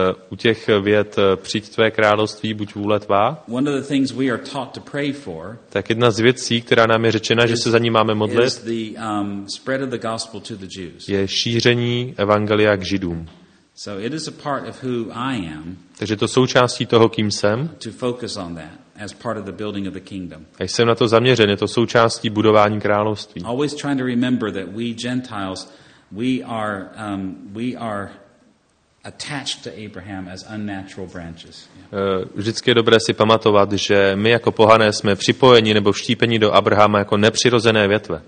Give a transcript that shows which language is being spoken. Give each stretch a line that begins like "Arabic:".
Czech: U těch věd přijď tvé království, buď vůle tvá.
English: One of the things we are taught to pray for.
Czech: Tak jedna z věcí, která nám je řečena, že se za ní máme modlit.
English: Is the spread of the gospel to the Jews.
Czech: Je šíření evangelia k Židům.
English: So it is a part of who I am.
Czech: Takže to součástí toho, kým jsem.
English: To focus on that as part of the building of the kingdom.
Czech: A jsem na to zaměřen, je to součástí budování království.
English: Always trying to remember that we Gentiles, we are attached to Abraham as unnatural branches.
Czech: Vždycky je dobré si pamatovat, že my jako pohané jsme připojeni nebo vštípeni do Abrahama jako nepřirozené větve.